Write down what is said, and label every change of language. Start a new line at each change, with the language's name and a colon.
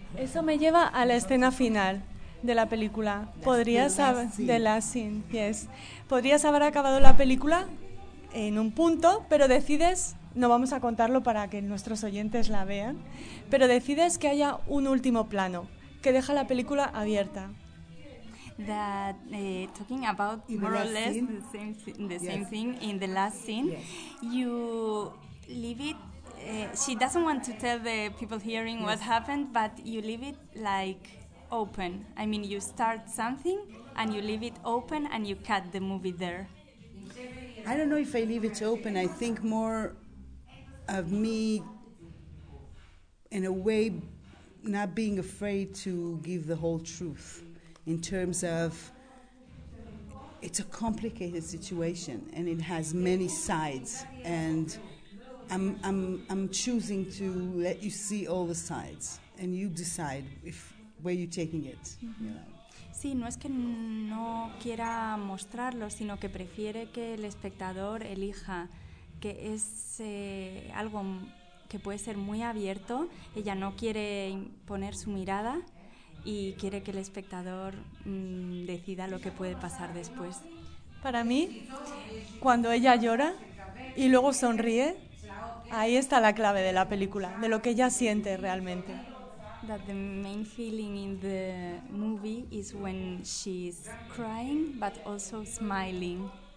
Spanish: Eso me lleva a la escena final de la película. Podrías haber acabado la película en un punto, pero decides, no vamos a contarlo para que nuestros oyentes la vean, pero decides que haya un último plano que deja la película abierta.
English: That talking about in more or less the same thing in the last scene, yes. You leave it. She doesn't want to tell the people hearing what happened, but you leave it like open. I mean, you start something and you leave it open and you cut the movie there. I don't know if I leave it open. I think more of me, in a way, not being afraid to give the whole truth. In terms of, it's a complicated situation and it has many sides, and I'm choosing to let you see all the sides and you decide if where you're taking it. Mm-hmm. You know.
Spanish: Sí, no es que no quiera mostrarlo, sino que prefiere que el espectador elija, que es algo que puede ser muy abierto. Ella no quiere poner su mirada y quiere que el espectador decida lo que puede pasar después. Para mí, cuando ella llora y luego sonríe, ahí está la clave de la película, de lo que ella siente realmente.
English: That the main feeling in the movie is when she's crying but also smiling.